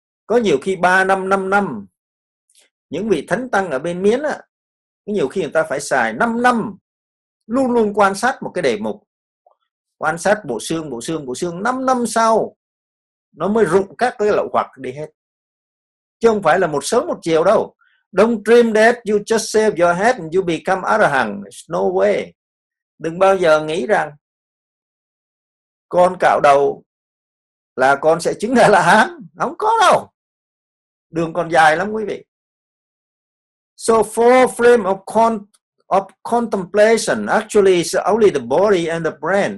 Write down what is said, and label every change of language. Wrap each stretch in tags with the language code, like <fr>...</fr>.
<vi>Có nhiều khi 3 năm, 5 năm. Những vị thánh tăng ở bên Miến á, có nhiều khi người ta phải xài 5 năm. Luôn luôn quan sát một cái đề mục. Quan sát bộ xương, bộ xương, bộ xương. 5 năm sau nó mới rụng các cái lậu hoặc đi hết. Chứ không phải là một sớm một chiều đâu.</vi> <en>Don't dream that you just save your head and you become Arahant. It's no way.</en> <vi>Đừng bao giờ nghĩ rằng con cạo đầu là con sẽ chứng A-la-hán. Không có đâu. Đường còn dài lắm quý vị.</vi> <en>So four frames of contemplation actually is only the body and the brain.</en>